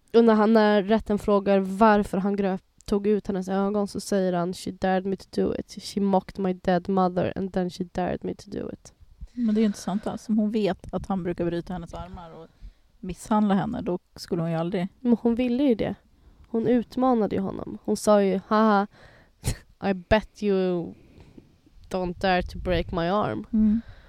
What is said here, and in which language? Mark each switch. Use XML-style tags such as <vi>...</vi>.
<sv>Och när rätten frågar varför han tog ut hennes ögon så säger han:</sv> <en>She dared me to do it. She mocked my dead mother and then she dared me to do it.</en> <sv>Men det är ju intressant alltså. Om hon vet att han brukar bryta hennes armar och misshandla henne, då skulle hon ju aldrig... Men hon ville ju det. Hon utmanade ju honom. Hon sa ju:</sv> <en>Haha, I bet you don't dare to break my arm.</en>